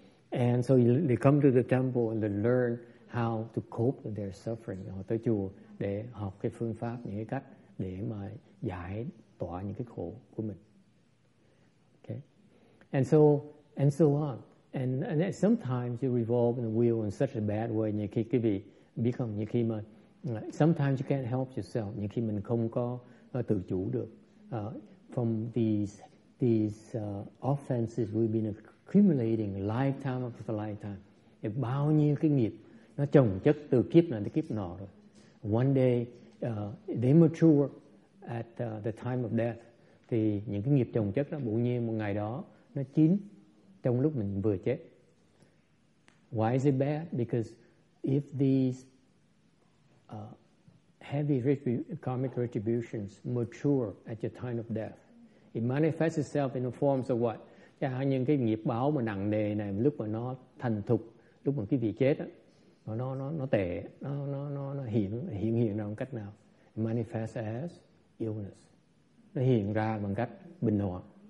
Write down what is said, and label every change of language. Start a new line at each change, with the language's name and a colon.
English: And so they come to the temple and they learn how to cope with their suffering.
Vietnamese: Họ tới chùa để học cái phương pháp, những cái cách để mà giải tỏa những cái khổ của mình.
English: Okay. And so on. And sometimes you revolve in the wheel in such a bad way.
Vietnamese: Nhiều khi quý vị biết không, nhiều khi mà
English: sometimes you can't help yourself.
Vietnamese: Nhiều khi mình không có tự chủ được.
English: From these offenses we've been accumulating lifetime after lifetime.
Vietnamese: Để bao nhiêu cái nghiệp nó chồng chất từ kiếp này tới kiếp nọ rồi.
English: One day they mature at the time of death.
Vietnamese: Thì những cái nghiệp chồng chất đó bỗng nhiên một ngày đó nó chín trong lúc mình vừa chết.
English: Why is it bad? Because if these heavy karmic retributions mature at the time of death, it manifests itself in the forms of what?
Vietnamese: Chẳng hạn những cái nghiệp báo mà nặng nề này lúc mà nó thành thục, lúc mà cái vị chết á, nó tệ, nó hiện ra bằng cách nào?
English: It manifests as illness.
Vietnamese: Nó hiện ra bằng cách bệnh hoạn.